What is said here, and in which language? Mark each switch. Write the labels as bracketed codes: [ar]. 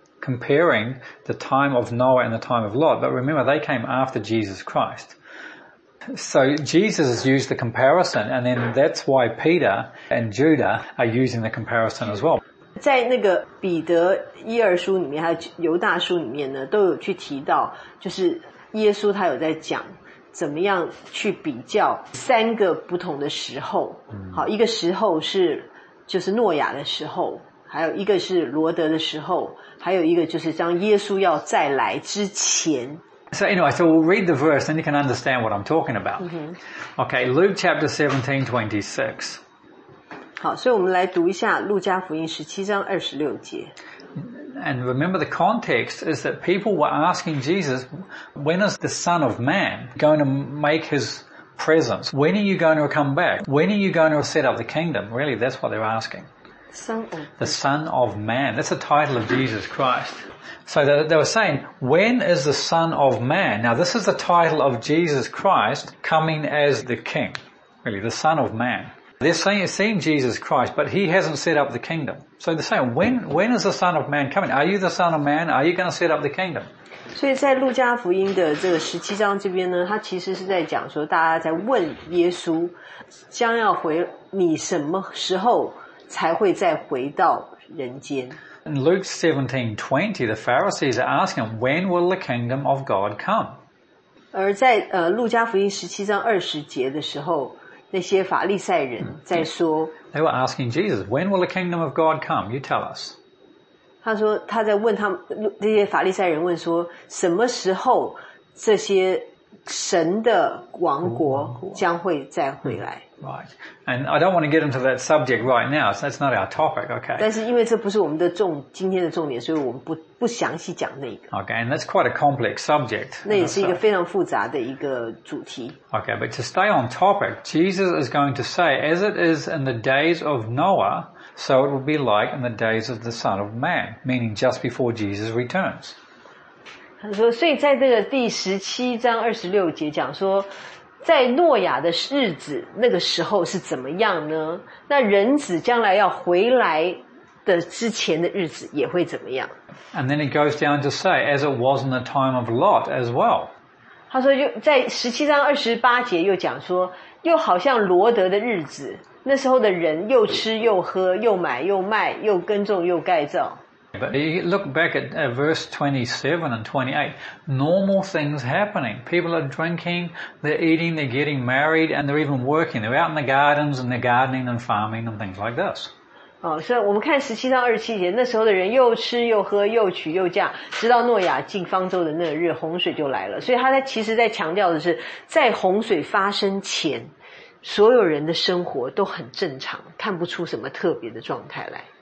[en] comparing the time of Noah and the time of Lot, but remember they came after Jesus Christ. So Jesus has used the comparison, and then that's why Peter and Judah are using the comparison as well. [zh] 在那个彼得一二书里面还有犹大书里面呢，都有去提到，就是耶稣他有在讲怎么样去比较三个不同的时候。好，一个时候是就是诺亚的时候，还有一个是罗德的时候，还有一个就是将耶稣要再来之前。 [en] So anyway, so we'll read the verse and you can understand what I'm talking about. Mm-hmm. Okay, Luke chapter 17, 26. [zh] 好，所以我们来读一下路加福音17章26节。 [en] And remember the context is that people were asking Jesus, when is the Son of Man going to make his presence? When are you going to come back? When are you going to set up the kingdom? Really, that's what they're asking. The Son of Man. That's the title of Jesus Christ. So they were saying, when is the Son of Man? Now this is the title of Jesus Christ coming as the King. Really, the Son of Man. They're seeing Jesus Christ, but he hasn't set up the kingdom. So they're saying, when is the Son of Man coming? Are you the Son of Man? Are you going to set up the kingdom? [zh] 所以在路加福音的这个17章这边呢，他其实是在讲说，大家在问耶稣将要回你什么时候才会再回到人间。 [en] In Luke 17:20, the Pharisees are asking, when will the kingdom of God come? [zh] 而在路加福音17章20节的时候，那些法利赛人在说， [en] They were asking Jesus, when will the kingdom of God come? You tell us. [zh] 他说他在问他们，那些法利赛人问说，什么时候这些神的王国将会再回来。 [en] Right. And I don't want to get into that subject right now, so that's not our topic, okay. [zh] 但是因为这不是我们的今天的重点，所以我们不详细讲那个。 [en] Okay, and that's quite a complex subject. [zh] 那也是一个非常复杂的一个主题。 [en] Okay, but to stay on topic, Jesus is going to say, as it is in the days of Noah, so it will be like in the days of the Son of Man, meaning just before Jesus returns. [zh] 他说，所以在这个第十七章二十六节讲说，在诺亚的日子那个时候是怎么样呢？那人子将来要回来的之前的日子也会怎么样？ [en] And then it goes down to say, as it was in the time of Lot as well. [zh] 他说就在17章28节又讲说，又好像罗德的日子，那时候的人又吃又喝，又买又卖，又耕种又盖造。 [en] But you look back at verse 27 and 28, normal things happening. People are drinking, they're eating, they're getting married, and they're even working. They're out in the gardens and they're gardening and farming and things like this. Oh, so we can see 17 and 27 [zh] 节，那时候的人又吃又喝又娶又嫁，直到诺亚进方舟的那日，洪水就来了。所以他在其实在强调的是，在洪水发生前，所有人的生活都很正常，看不出什么特别的状态来。